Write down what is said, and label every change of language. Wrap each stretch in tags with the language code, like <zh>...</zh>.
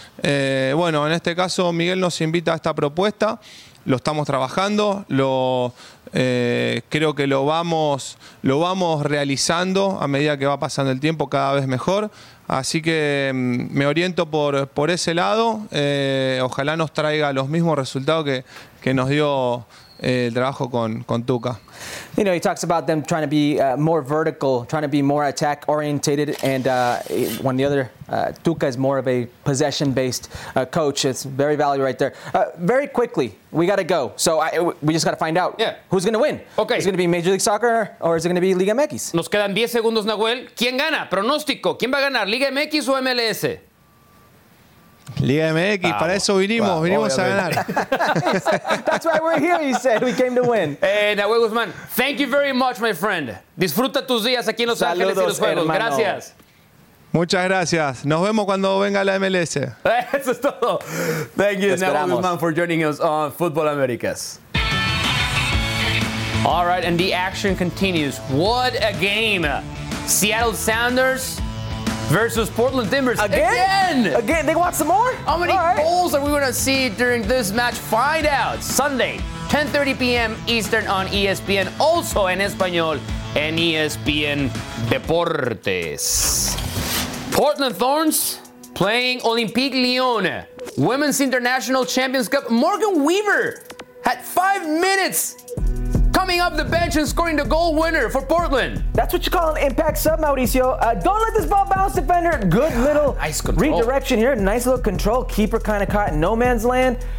<es>Bueno, en este caso Miguel nos invita a esta propuesta, lo estamos trabajando, creo que lo vamos realizando a medida que va pasando el tiempo cada vez mejor. Así que me oriento por ese lado. Ojalá nos traiga los mismos resultados que nos dio el trabajo con Tuca.</es> <en>You know, he talks about them trying to be more vertical, trying to be more attack orientated, and when the other Tuca is more of a possession based coach. It's very valuable right there. Very quickly, we got to go. So we just got to find out who's going to win. Okay. Is it going to be Major League Soccer or is it going to be Liga MX?</en> <es>Nos quedan 10 segundos, Nahuel. ¿Quién gana? Pronóstico. ¿Quién va a ganar? ¿Liga MX o MLS? Liga MX, wow. Para eso vinimos, wow. Vinimos a ganar.</es> <en>That's why we're here, he said. We came to win. Nahuel Guzmán, thank you very much, my friend.</en> <es>Disfruta tus días aquí en Los Saludos, Ángeles y los Juegos. Hermano. Gracias. Muchas gracias. Nos vemos cuando venga la MLS. Eso es todo.</es> <en>Thank you, Nahuel Guzmán, for joining us on Football Americas. All right, and the action continues. What a game. Seattle Sounders versus Portland Timbers. Again? They want some more? How many goals are we going to see during this match? Find out Sunday, 10:30 p.m. Eastern on ESPN.</en> <es>Also en Español, en ESPN Deportes.</es> <en>Portland Thorns playing Olympique Lyon. Women's International Champions Cup. Morgan Weaver had 5 minutes coming up the bench and scoring the goal winner for Portland. That's what you call an impact sub, Mauricio. Don't let this ball bounce, defender. Good little redirection here. Nice little control. Keeper kind of caught in no man's land.</en>